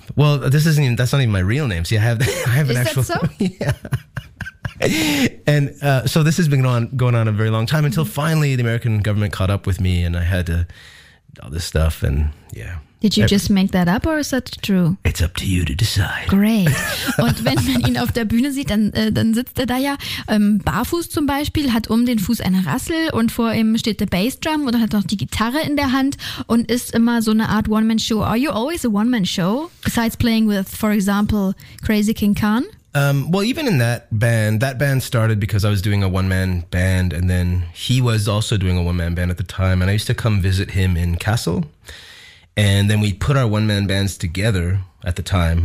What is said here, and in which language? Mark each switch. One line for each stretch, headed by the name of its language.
English: Well, that's not even my real name. See, I have an actual. Is that so? Yeah. And so this has been going on a very long time until finally the American government caught up with me and I had to all this stuff and yeah. Did you just make that up or is that true? It's up to you to decide. Great.
German: Und wenn man ihn auf der Bühne sieht, dann sitzt er da ja barfuß zum Beispiel, hat um den Fuß eine Rassel und vor ihm steht der Bassdrum oder hat noch die Gitarre in der Hand und ist immer so eine Art One-Man-Show.
English: Are you always a One-Man-Show besides playing with, for example, Crazy King Khan? Well, even in that band started because I was doing a one-man band and then he was also doing a one-man band at the time. And I used to come visit him in Kassel and then we put our one-man bands together at the time.